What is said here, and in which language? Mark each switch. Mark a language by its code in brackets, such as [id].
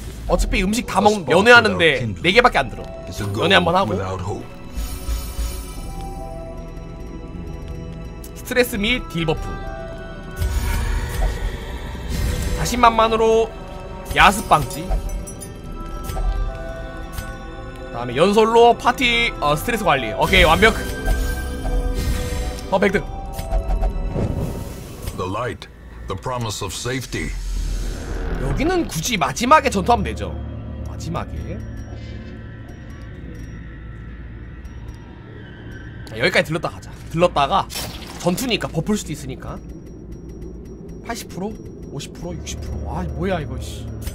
[ko] 어차피 음식 다 먹 면회하는데 네 개밖에 안 들어. 면회 한번 하고 스트레스 및 딜 버프. 자신만만으로 야습 방지. 다음에 연설로 파티 스트레스 관리. 오케이 완벽. 퍼펙트. [en] The light, the promise of safety. [ko] 여기는 굳이 마지막에 전투하면 되죠. 마지막에. 자, 여기까지 들렀다 가자. 들렀다가 전투니까 버풀 수도 있으니까. 80%, 50%, 60%. 와, 뭐야 이거 씨.